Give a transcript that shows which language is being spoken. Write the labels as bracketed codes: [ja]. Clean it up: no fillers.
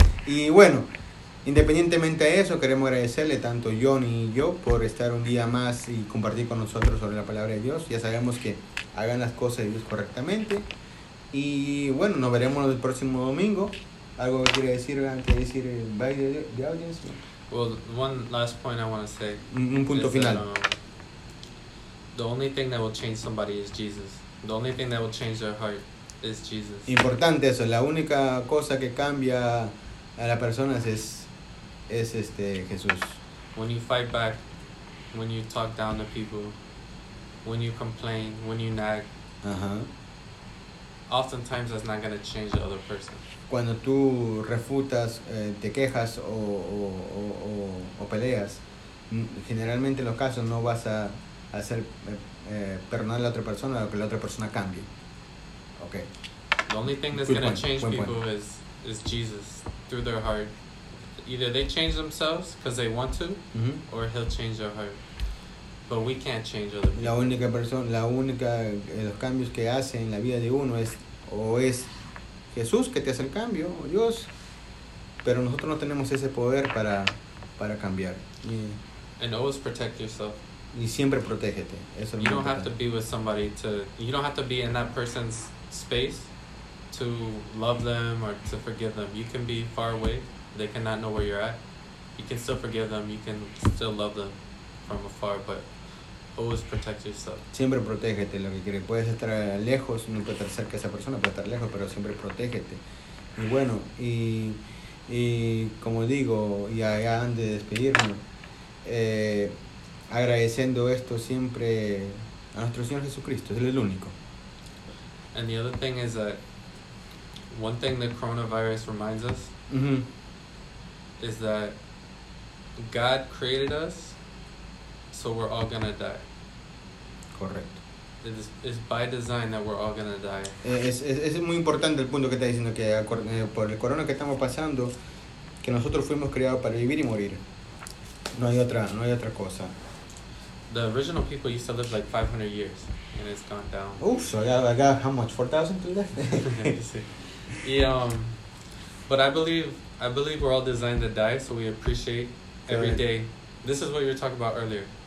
[es] Y bueno, independientemente de eso, queremos agradecerle tanto John y yo por estar un día más y compartir con nosotros sobre la palabra de Dios. Ya sabemos que hagan las cosas de Dios correctamente. Y bueno, nos veremos el próximo domingo. ¿Algo que quiere decir antes de decir bye de la audiencia? [en] Well, one last point I want to say. [es] Un punto final. [en] The only thing that will change somebody is Jesus. The only thing that will change their heart is Jesus. [es] Importante eso. La única cosa que cambia a las personas es este Jesús. [en] When you fight back, when you talk down to people, when you complain, when you nag, oftentimes that's not going to change the other person. [es] Cuando tú refutas, te quejas o peleas, generalmente en los casos no vas a hacer perdonar a la otra persona o que la otra persona cambie. [en] Okay. The only thing that's going to change people is Jesus through their heart. Either they change themselves because they want to, or he'll change their heart. But we can't change other people. [es] Los cambios que hace en la vida de uno es Jesús que te hace el cambio, o Dios, pero nosotros no tenemos ese poder para cambiar. [en] And always protect yourself. [es] Y siempre protégete. Eso [en] you don't have to be with somebody to, you don't have to be in that person's space to love them or to forgive them. You can be far away, they cannot know where you're at. You can still forgive them, you can still love them from afar, but always protect yourself. [es] Siempre protégete, lo que quieres. Puedes estar lejos, no puedes estar cerca de esa persona, puedes estar lejos, pero siempre protégete. Y bueno, y como digo, y allá antes de despedirme, agradeciendo esto siempre a nuestro Señor Jesucristo, Él es el único. [en] And the other thing is that one thing the coronavirus reminds us is that God created us. So we're all gonna die. [es] Correcto. [en] It's by design that we're all gonna die. [es] Es muy importante el punto que está diciendo que por el corona que estamos pasando, que nosotros fuimos creados para vivir y morir. No hay otra cosa. [en] The original people used to live like 500 years, and it's gone down. I got how much? 4,000 to that. But I believe we're all designed to die, so we appreciate every day. This is what you were talking about earlier.